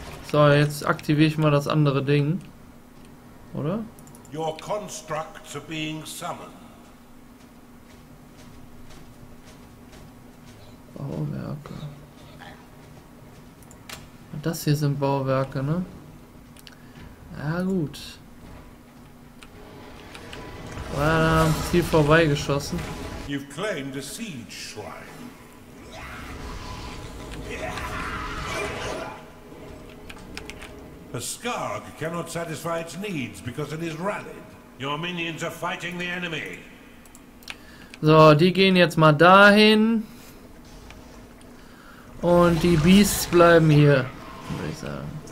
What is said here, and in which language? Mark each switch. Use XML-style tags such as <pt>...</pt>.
<de>So, jetzt aktiviere ich mal das andere Ding. Oder?</de> <en>Your constructs are being summoned.</en> <de>Bauwerke. Das hier sind Bauwerke, ne? Ja, gut. War am Ziel vorbeigeschossen.</de> <en>You've claimed a siege shrine. A Skarg cannot satisfy its needs because it is rallied. Your minions are fighting the enemy.</en> <de>So, die gehen jetzt mal dahin. Und die Beasts bleiben hier, würde ich sagen.</de>